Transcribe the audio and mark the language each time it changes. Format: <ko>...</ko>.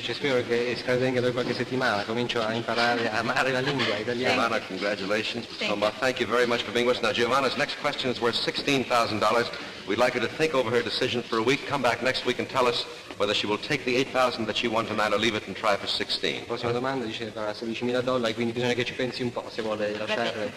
<it>Ci spero che stai venga per qualche settimana. Comincio a imparare a amare la lingua italiana.</it> <en>Giovanna, congratulations. Thank you very much for being with us. Now, Giovanna's next question is worth $16,000. We'd like her to think over her decision for a week, come back next week and tell us whether she will take the $8,000 that she won tonight or leave it and try for $16,000.</en> <it>Prossima domanda dice farà $16,000, quindi bisogna che ci pensi un po' se vuole lasciare.</it>